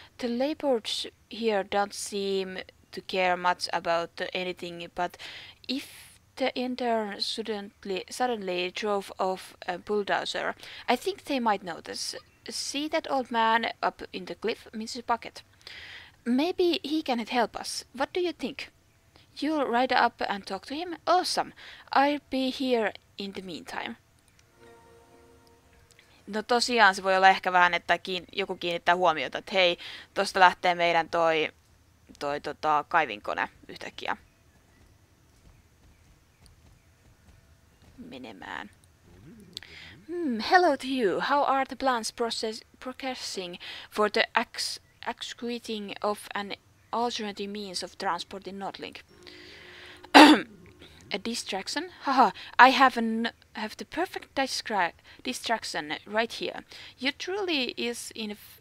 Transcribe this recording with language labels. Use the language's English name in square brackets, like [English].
[English] The laborers here don't seem to care much about anything, but if the intern suddenly drove off a bulldozer, I think they might notice. See that old man up in the cliff, Mrs. Bucket? Maybe he can help us. What do you think? You'll ride up and talk to him? Awesome. I'll be here in the meantime. [Finnish] No tosiaan se voi olla ehkä vähän, että joku kiinnittää huomiota, että hei, tosta lähtee meidän toi kaivinkone yhtäkkiä menemään. [English] Hello to you. How are the plans progressing for the excreting of an alternative means of transport in Nordlink? A distraction? Haha, I have the perfect distraction right here. You truly is in